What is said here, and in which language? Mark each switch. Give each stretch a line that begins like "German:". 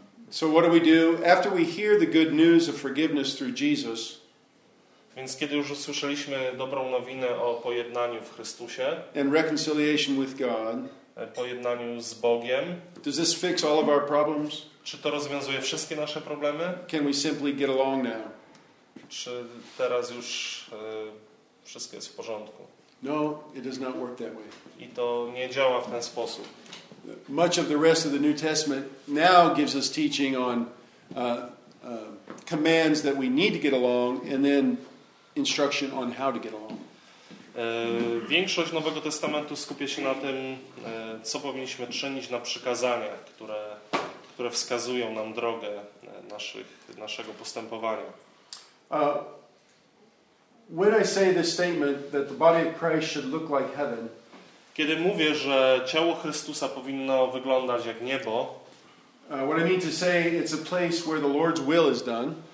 English: So what do we do after we hear the good news of forgiveness through Jesus?
Polish: Więc kiedy już usłyszeliśmy dobrą nowinę o pojednaniu w Chrystusie
English: and reconciliation with God,
Polish: pojednaniu z Bogiem,
English: does this fix all of our problems?
Polish: Czy to rozwiązuje wszystkie nasze problemy?
English: Can we simply get along now?
Polish: Czy teraz już wszystko jest w porządku?
English: No, it does not work that way.
Polish: I to nie działa w ten sposób.
English: Much of the rest of the New Testament now gives us teaching on commands that we need to get along and then instruction on how to get along.
Polish: Większość Nowego Testamentu skupia się na tym, co powinniśmy czynić, na przykazaniach, które wskazują nam drogę naszego postępowania.
English: When I say this statement that the body of Christ should look like heaven,
Polish: kiedy mówię, że ciało Chrystusa powinno wyglądać jak niebo,
English: what I mean to say it's a place where the Lord's will is done,